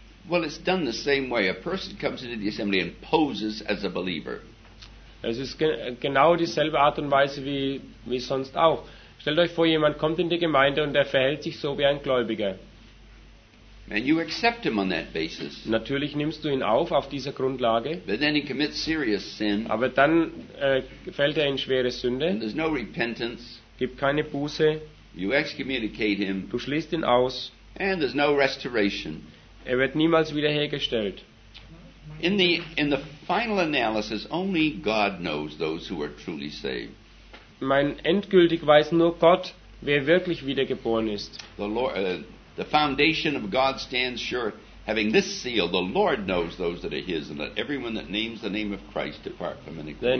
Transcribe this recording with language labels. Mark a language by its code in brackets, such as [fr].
[en] Well, it's done the same way. A person comes into the assembly and poses as a believer. [de] Es ist genau dieselbe Art und Weise wie sonst auch. Stellt euch vor, jemand kommt in die Gemeinde und er verhält sich so wie ein Gläubiger. [en] And you accept him on that basis. [de] Natürlich nimmst du ihn auf dieser Grundlage. [en] But then he commits serious sin. [de] Aber dann fällt in schwere Sünde. [en] And there's no repentance. [de] Gibt keine Buße. [en] You excommunicate him. [de] Du schließt ihn aus. [en] And there's no restoration. [de] Er wird niemals wiederhergestellt. [en] In the final analysis, only God knows those who are truly saved. [de] Mein endgültig weiß nur Gott, wer wirklich wiedergeboren ist. [en] The foundation of God stands sure, having this seal, the Lord knows those that are his, and let everyone that names the name of Christ depart from iniquity.